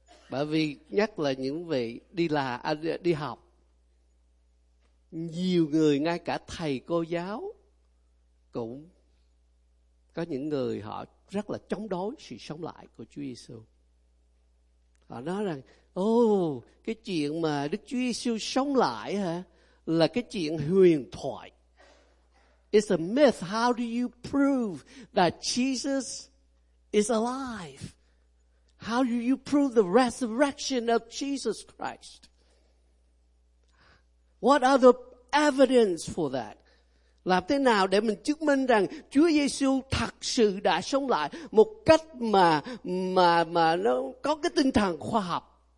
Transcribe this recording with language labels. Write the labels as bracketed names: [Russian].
[Vietnamese] Bởi vì nhắc là những vị đi học, nhiều người, ngay cả thầy cô giáo, cũng có những người họ rất là chống đối sự sống lại của Chúa Giêsu. Họ nói rằng, cái chuyện mà Đức Chúa Giêsu sống lại hả? Là cái chuyện huyền thoại. [English] It's a myth. How do you prove that Jesus is alive? How do you prove the resurrection of Jesus Christ? What are the evidence for that? [Vietnamese] Làm thế nào để mình chứng minh rằng Chúa Giêsu thật sự đã sống lại một cách mà nó có cái tinh thần khoa học?